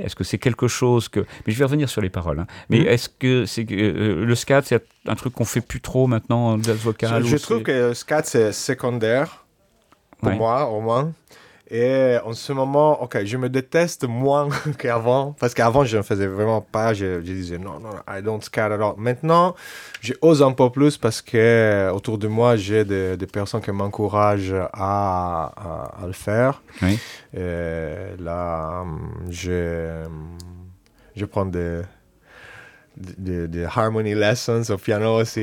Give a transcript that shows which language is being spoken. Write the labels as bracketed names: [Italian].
[French] Est-ce que c'est quelque chose que... Mais je vais revenir sur les paroles. Hein. Mais est-ce que c'est, le scat, c'est un truc qu'on ne fait plus trop maintenant, jazz vocal? Je trouve que le scat, c'est secondaire, pour moi, au moins. Et en ce moment, OK, je me déteste moins qu'avant. Parce qu'avant, je ne faisais vraiment pas. Je disais non, [English] I don't scat at all. [French] Maintenant, j'ose un peu plus parce qu'autour de moi, j'ai des personnes qui m'encouragent à le faire. Oui. Et là, je prends des [English] harmony lessons [French] au piano aussi.